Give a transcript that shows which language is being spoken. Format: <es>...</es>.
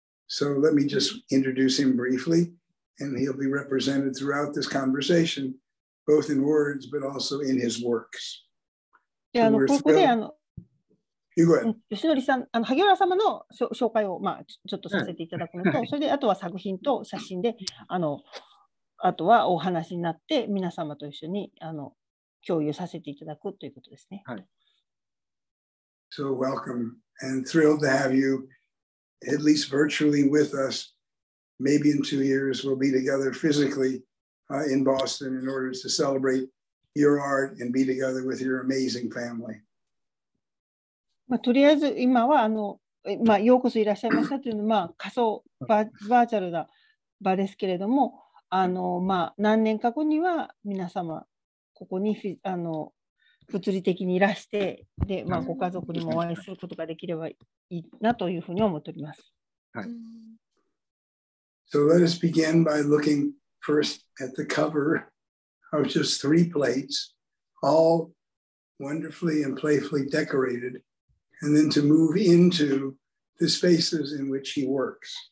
<en>So let me just introduce him briefly, and he'll be represented throughout this conversation, both in words, but also in his works. So</en> <ja>吉野さん、萩原様の紹介を、まあ、ちょっとさせていただくのと、はい、それであとは作品と写真で、あとはお話になって皆様と一緒に共有させていただくということですね。はい。</ja> <en>So welcome and thrilled to have you at least virtually with us. Maybe in 2 years we'll be together physically、in Boston in order to celebrate your art and be together with your amazing family.</en> <ja>まあ、とりあえず今はまあ、ようこそいらっしゃいましたというのは、まあ、仮想バーチャルな場ですけれどもまあ、何年か後には皆様ここに物理的にいらしてで、まあ、ご家族にもお会いすることができればいいなというふうに思っております、</ja> <en>はい、So let us begin by looking first at the cover of just three plates all wonderfully and playfully decoratedand then to move into the spaces in which he works.</en>